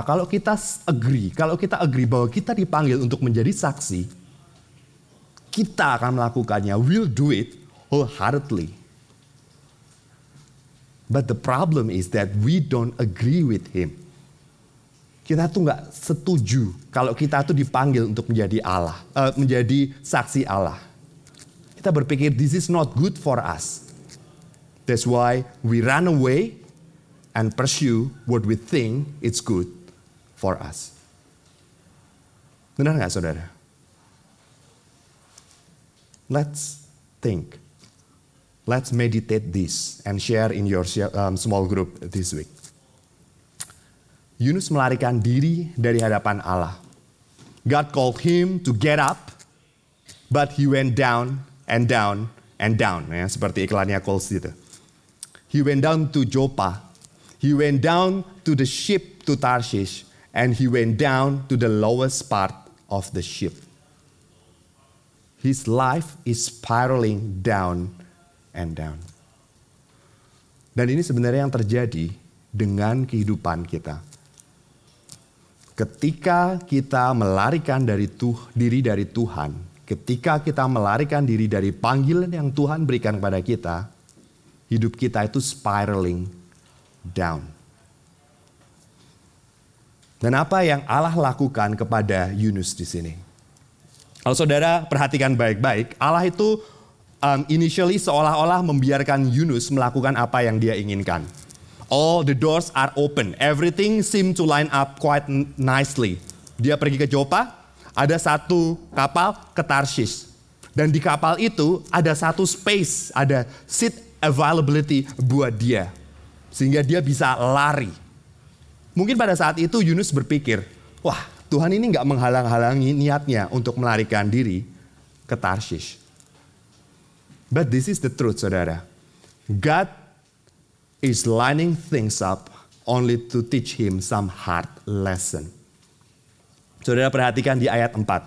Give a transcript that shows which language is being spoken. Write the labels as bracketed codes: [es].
[id] Kalau kita agree bahwa kita dipanggil untuk menjadi saksi, kita akan melakukannya. [en] We'll do it wholeheartedly. But the problem is that we don't agree with him. [id] Kita tuh gak setuju kalau kita tuh dipanggil untuk menjadi saksi Allah. Kita berpikir [en] this is not good for us. That's why we run away and pursue what we think is good for us. [id] Benar gak saudara? [en] Let's think. Let's meditate this and share in your small group this week. [id] Yunus melarikan diri dari hadapan Allah. [en] God called him to get up, but he went down and down and down. [id] Ya, seperti iklannya calls itu. [en] He went down to Joppa. He went down to the ship to Tarshish. And he went down to the lowest part of the ship. His life is spiraling down and down. [id] Dan ini sebenarnya yang terjadi dengan kehidupan kita. Ketika kita melarikan diri dari Tuhan, ketika kita melarikan diri dari panggilan yang Tuhan berikan kepada kita, hidup kita itu [en] spiraling down. [id] Dan apa yang Allah lakukan kepada Yunus di sini? Kalau saudara perhatikan baik-baik, Allah itu initially seolah-olah membiarkan Yunus melakukan apa yang dia inginkan. [en] All the doors are open. Everything seem to line up quite nicely. [id] Dia pergi ke Joppa, ada satu kapal ke Tarshish. Dan di kapal itu ada satu space, ada [en] seat availability [id] buat dia. Sehingga dia bisa lari. Mungkin pada saat itu Yunus berpikir, wah Tuhan ini gak menghalang-halangi niatnya untuk melarikan diri ke Tarshish. [en] But this is the truth, [id] saudara. [en] God is lining things up only to teach him some hard lesson. [id] Saudara perhatikan di ayat 4.